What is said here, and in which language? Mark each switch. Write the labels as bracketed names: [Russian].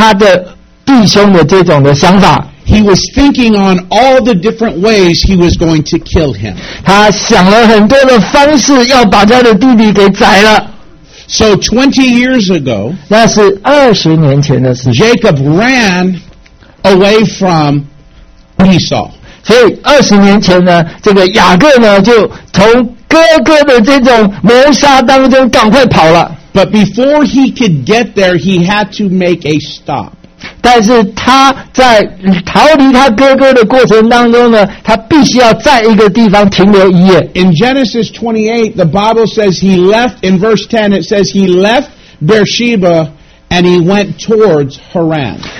[Chinese] 就是他有这个要杀他的弟兄的这种的想法。 [English] He was thinking on all the different ways he was going to kill him. [Chinese] 他想了很多的方式要把他的弟弟给宰了。 [English] 20 years ago, [Chinese] 那是20年前的事。 [English] Jacob ran away from Esau. [Chinese] 所以20年前呢，这个雅各呢，就从哥哥的这种谋杀当中赶快跑了。But [English] before he could get there, he had to make a stop. [Chinese] 但是他在逃离他哥哥的过程当中呢，他必须要在一个地方停留一夜。In [English] Genesis 28, the Bible says he left, in verse 10, it says he left Beersheba and he went towards Haran.